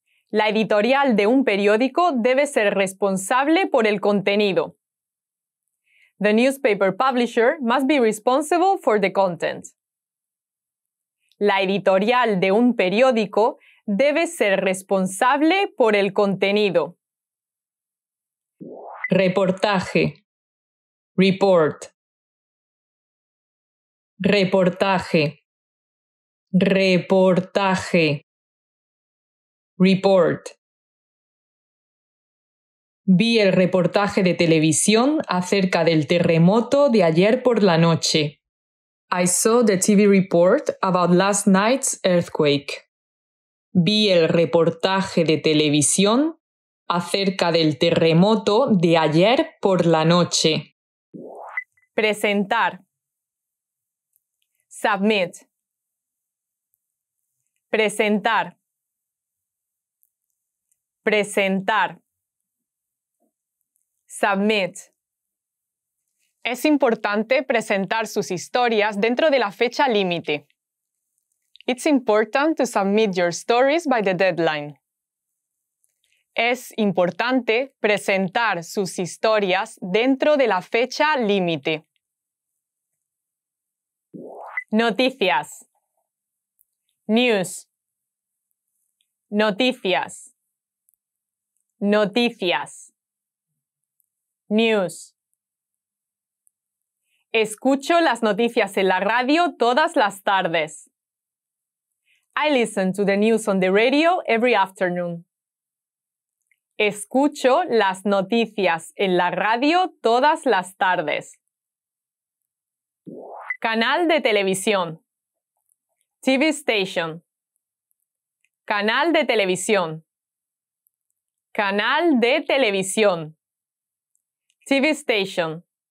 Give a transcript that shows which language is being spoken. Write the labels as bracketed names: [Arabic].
[Spanish] La editorial de un periódico debe ser responsable por el contenido. [English] The newspaper publisher must be responsible for the content. [Spanish] La editorial de un periódico debe ser responsable por el contenido. Reportaje. [English] Report. [Spanish] Reportaje. Reportaje. [English] Report. [Spanish] Vi el reportaje de televisión acerca del terremoto de ayer por la noche. [English] I saw the TV report about last night's earthquake. [Spanish] Vi el reportaje de televisión acerca del terremoto de ayer por la noche. Presentar. [English] Submit. [Spanish] Presentar. Presentar. [English] Submit. [Spanish] Es importante presentar sus historias dentro de la fecha límite. [English] It's important to submit your stories by the deadline. [Spanish] Es importante presentar sus historias dentro de la fecha límite. Noticias. [English] News. [Spanish] Noticias. Noticias. [English] News. [Spanish] Escucho las noticias en la radio todas las tardes. [English] I listen to the news on the radio every afternoon. [Spanish] Escucho las noticias en la radio todas las tardes. Canal de televisión. [English] TV station. [Spanish] Canal de televisión. Canal de televisión. [English] TV station.